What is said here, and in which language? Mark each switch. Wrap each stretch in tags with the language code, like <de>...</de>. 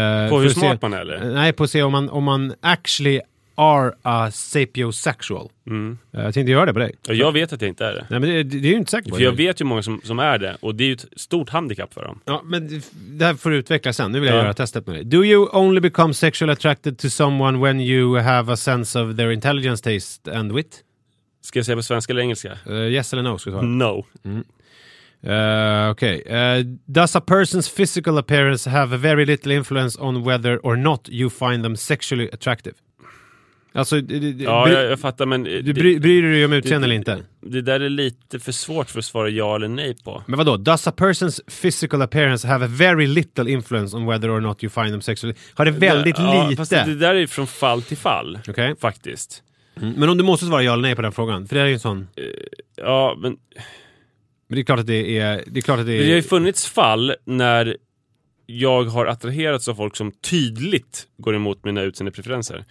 <sv>På hur smart man är, eller? Nej, på att se om man</sv> <en>actually are a sapiosexual.</en> <sv>Mm. Jag tänkte göra det på dig. Ja, jag vet att jag inte är det. Nej, men det är ju inte säkert. För jag vet ju många som är det, och det är ju ett stort handicap för dem. Ja, men det här får du utveckla sen. Nu vill jag göra testet med dig.</sv> <en>Do you only become sexually attracted to someone when you have a sense of their intelligence, taste and wit?</en> <sv>Ska jag säga på svenska eller engelska? Yes eller no, ska jag svara.</sv> <en>No.</en> <sv>Okej.</sv> <en>Does a person's physical appearance have a very little influence on whether or not you find them sexually attractive?</en> <sv>Alltså, jag fattar, men... Bryr du dig om utseende eller inte? Det där är lite för svårt för att svara ja eller nej på. Men vadå?</sv> <en>Does a person's physical appearance have a very little influence on whether or not you find them sexually?</en> <sv>Har det väldigt lite? Fast det där är från fall till fall, okay. Faktiskt. Mm. Men om du måste svara ja eller nej på den frågan, för det är ju en sån... Men det är klart att det är... Det har ju funnits fall när jag har attraherats av folk som tydligt går emot mina utseendepreferenser.</sv>